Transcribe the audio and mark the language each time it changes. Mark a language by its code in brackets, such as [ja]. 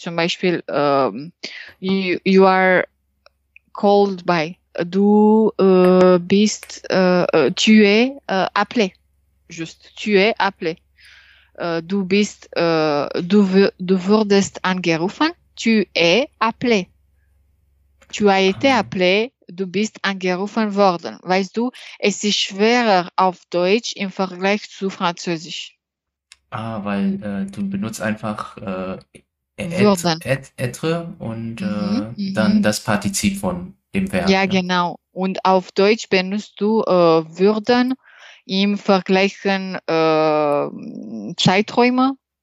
[de] Zum Beispiel, [en] you are called by. [de] Du bist, [fr] tu es appelé. Juste, tu es appelé. [de] Du bist, du wurdest angerufen, [fr] tu es appelé. Tu as été appelé, [de] du bist angerufen worden. Weißt du, es ist schwerer auf Deutsch im Vergleich zu Französisch. Ah, weil du benutzt einfach être und dann das Partizip von dem Verb. Ja, ne? Genau. Und auf Deutsch benutzt du würden im Vergleich Zeiträume?